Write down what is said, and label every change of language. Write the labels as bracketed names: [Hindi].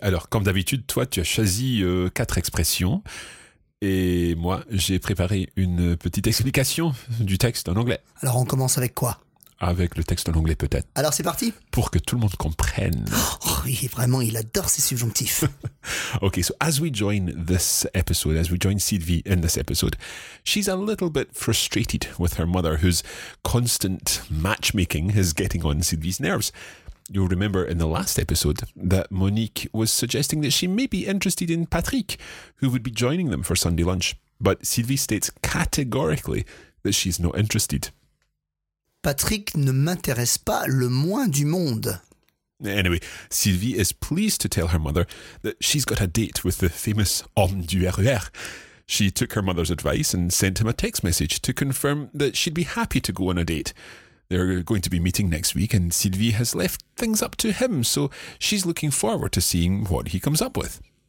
[French] Alors, comme d'habitude, toi, tu as choisi 4 expressions et moi, j'ai préparé une petite explication du texte en anglais. Alors, on commence avec quoi ? Avec le texte en anglais, peut-être. Alors, c'est parti ! Pour que tout le monde comprenne. Oh, oui, vraiment, il adore ses subjonctifs. [English] Okay, so as we join this episode, as we join Sylvie in this episode, she's a little bit frustrated with her mother, whose constant matchmaking is getting on Sylvie's nerves. You'll remember in the last episode that Monique was suggesting that she may be interested in Patrick, who would be joining them for Sunday lunch. But Sylvie states categorically that she's not interested. [French] Patrick ne m'intéresse pas le moins du monde. [English] Anyway, Sylvie is pleased to tell her mother that she's got a date with the famous [French] homme du RER. [English] She took her mother's advice and sent him a text message to confirm that she'd be happy to go on a date. They're going to be meeting next week and Sylvie has left things up to him, so she's looking forward to seeing what he comes up with.